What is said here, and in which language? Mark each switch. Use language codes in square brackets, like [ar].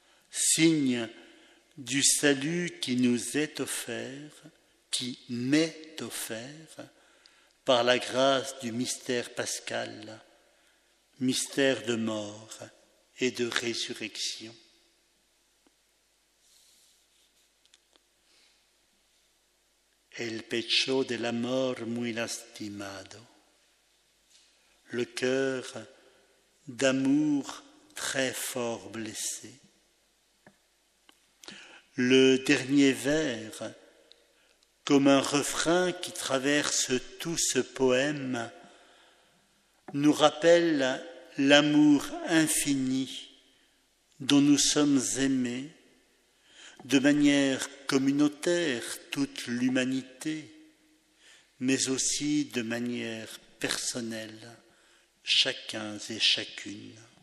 [fr] Signe du salut qui nous est offert, qui m'est offert par la grâce du mystère pascal, mystère de mort et de résurrection. [es] El pecho de la mort muy lastimado. [fr] Le cœur d'amour très fort blessé. Le dernier vers, comme un refrain qui traverse tout ce poème, nous rappelle l'amour infini dont nous sommes aimés, de manière communautaire toute l'humanité, mais aussi de manière personnelle, chacun et chacune.